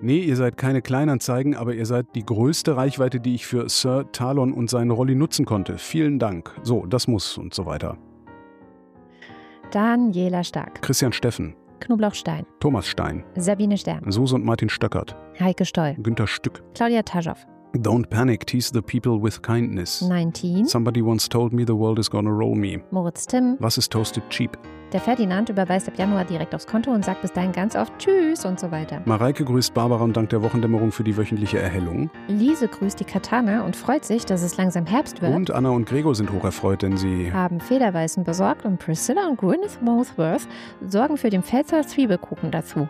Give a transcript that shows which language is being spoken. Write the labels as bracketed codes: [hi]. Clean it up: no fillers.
[de] Nee, ihr seid keine Kleinanzeigen, aber ihr seid die größte Reichweite, die ich für Sir Talon und seinen Rolli nutzen konnte. Vielen Dank. So, das muss und so weiter. Daniela Stark. Christian Steffen. Knoblauchstein. Thomas Stein. Sabine Stern. Suse und Martin Stöckert. Heike Stoll. Günter Stück. Claudia Taschow. [en] Don't panic, tease the people with kindness. [de] 19. [en] Somebody once told me the world is gonna roll me. [de] Moritz Timm. Was ist [en] toasted cheap? [de] Der Ferdinand überweist ab Januar direkt aufs Konto und sagt bis dahin ganz oft Tschüss und so weiter. Mareike grüßt Barbara und dankt der Wochendämmerung für die wöchentliche Erhellung. Lise grüßt die Katana und freut sich, dass es langsam Herbst wird. Und Anna und Gregor sind hocherfreut, denn sie haben Federweißen besorgt und Priscilla und Gwyneth Mothworth sorgen für den Pfälzer Zwiebelkuchen dazu.